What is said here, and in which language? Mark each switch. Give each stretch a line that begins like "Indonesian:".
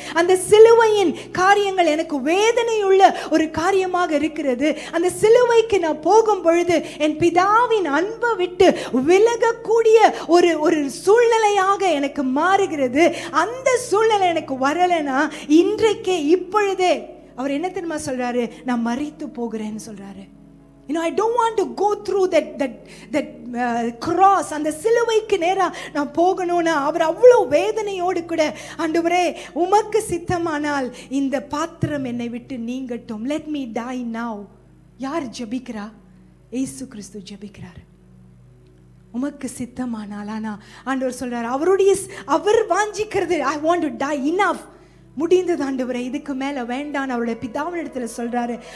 Tamil: அந்த சிலுவையின் காரியங்கள் எனக்கு வேதனையுள்ள ஒரு காரியமாக இருக்கிறது. அந்த சிலுவைக்கு நான் போகும் பொழுது என் பிதாவின் அன்பை விட்டு விலகக்கூடிய ஒரு ஒரு சூழ்நிலையாக எனக்கு மாறுகிறது. அந்த சூழ்நிலை எனக்கு வரலைன்னா இன்றைக்கே இப்பொழுதே அவர் என்ன தெரியுமா சொல்றாரு? நான் மரித்து போகிறேன்னு சொல்றாரு.
English: You know, I don't want to go through that cross.
Tamil: அந்த சிலுவைக்கு நேரா நான் போகணும்னா அவர் அவ்வளோ வேதனையோடு கூட, ஆண்டவரே உமக்கு சித்தமானால் இந்த பாத்திரம் என்னை விட்டு நீங்கட்டும்,
English: Let me die now.
Tamil: யார் ஜபிக்கிறா? ஏசு கிறிஸ்து ஜபிக்கிறார். உமக்கு சித்தமானால், ஆனால் ஆண்டவர் சொல்றார் அவருடைய அவர் வாஞ்சிக்கிறது,
English: I want to die enough,
Tamil: முடிந்தது ஆண்டவரே, இதுக்கு மேலே வேண்டான்னு அவருடைய பிதாவின் இடத்துல சொல்றாரு.